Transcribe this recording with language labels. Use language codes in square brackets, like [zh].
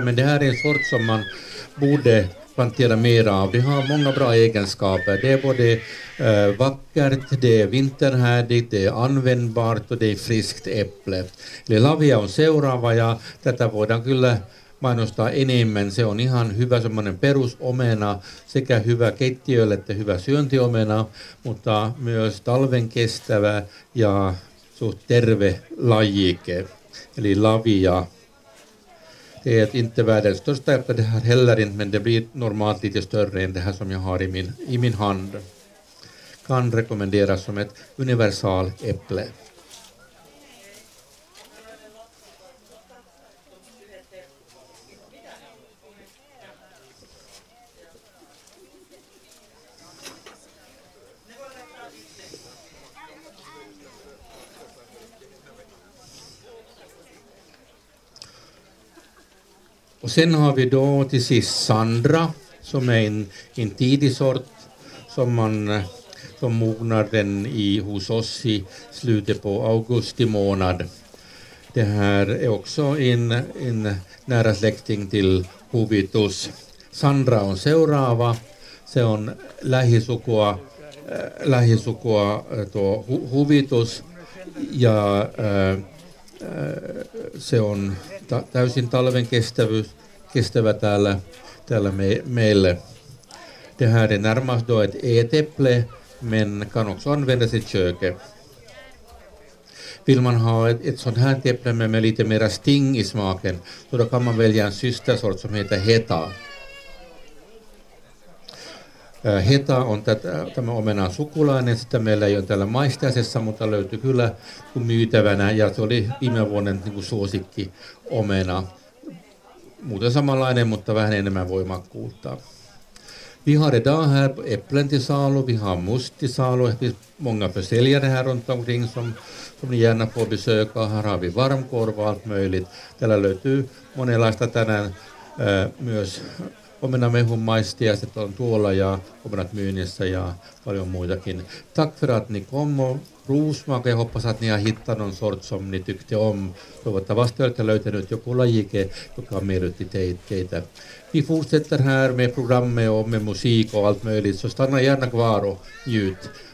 [sv] Men det här är en sort som man borde plantera mer av. Det har många bra egenskaper. Det är både vackert, det är vinterhärdigt, det är användbart och det är friskt äpple. Eller [fi] Lavia on seuraava, ja tätä voidaan kyllä mainostaa enemmän. Se on ihan hyvä semmoinen perusomena, sekä hyvä keittiölle että hyvä syöntiomena, mutta myös talven kestävä ja suht terve lajike, eli lavia. [sv] Det är inte världens största äpple det här heller inte, men det blir normalt lite större än det här som jag har i min hand. Kan rekommenderas som ett universal äpple. Och sen har vi då till sist Sandra, som är en tidig sort som mognar den i hos oss i slutet på augusti månad. Det här är också en nära släkting till Hovitus. [fi] Sandra on seuraava. Se on lähisukua tuo Hovitus ja se on täysin talven kestävä täällä meille. [sv] Det här är närmast då ett e-teple, men kan också användas i köket. Vill man ha ett sånt här teple med lite mera sting i smaken, så då kan man välja en systersort som heter Heta. [fi] Heta on tämä omenan sukulainen, sitä meillä ei ole täällä maistajaisessa, mutta löytyy kyllä myytävänä, ja se oli viime vuoden suosikki omena. Muuten samanlainen, mutta vähän enemmän voimakkuutta. [sv] Vi har idag här äpplen till salu, vi har must till salu. Det finns många försäljare här runt omkring som ni gärna får besöka. Här har vi varmkorv och allt möjligt. [fi] Täällä löytyy monenlaista tänään myös omenamehun maistiaiset on tuolla ja omenat myynnissä ja paljon muitakin. [sv] Tack för att ni kom och rosmak. Jag hoppas att ni har hittat någon sort som ni tyckte om. [fi] Toivottavasti olette löytänyt joku lajike, joka on miellytti teitä. [sv] Vi fortsätter här med programmet och med musik och allt möjligt. Så stanna gärna kvar och njut.